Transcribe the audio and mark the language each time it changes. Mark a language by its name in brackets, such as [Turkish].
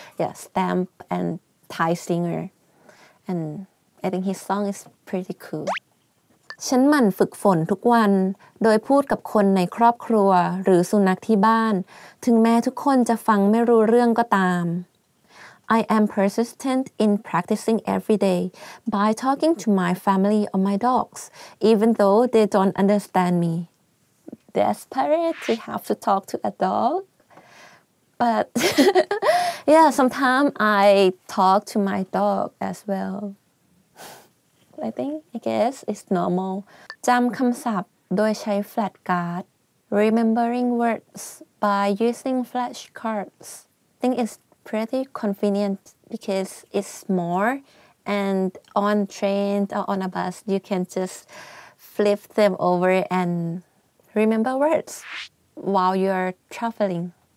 [English] Yeah, Stamp and Thai singer. And I think his song is pretty cool. [Thai] ฉันหมั่นฝึกฝนทุกวันโดยพูดกับคนในครอบครัวหรือสุนัขที่บ้านถึงแม้ทุกคนจะฟังไม่รู้เรื่องก็ตาม [English] I am persistent in practicing every day by talking to my family or my dogs, even though they don't understand me. Desperate to have to talk to a dog? But yeah, sometimes I talk to my dog as well. I guess it's normal. [Thai] จำคำศัพท์โดยใช้ flat card. [English] Remembering words by using flash cards. I think it's pretty convenient because it's more. And on train or on a bus, you can just flip them over and remember words while you're traveling.